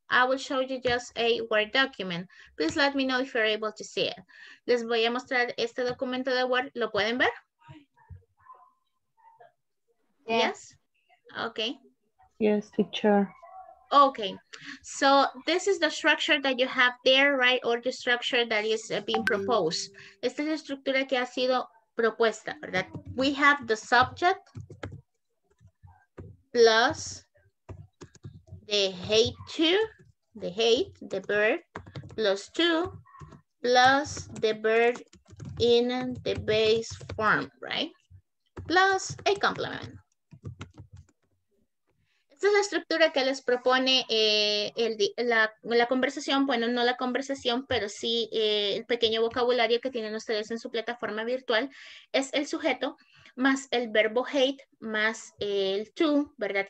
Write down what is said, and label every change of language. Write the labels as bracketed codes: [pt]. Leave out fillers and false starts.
[en] I will show you just a Word document. Please let me know if you're able to see it. [es] Les voy a mostrar este documento de Word. ¿Lo pueden ver? [en] Yes. Yes? Okay. Yes, teacher. Okay, so this is the structure that you have there, right? Or the structure that is being proposed. [es] Esta es la estructura que ha sido propuesta, ¿verdad? [en] We have the subject plus the hate to, the verb, plus to, plus the verb in the base form, right? Plus a complement. [es] Esta es la estructura que les propone la conversación, bueno, no la conversación, pero sí el pequeño vocabulario que tienen ustedes en su plataforma virtual. Es el sujeto, más el verbo hate, más el to, ¿verdad?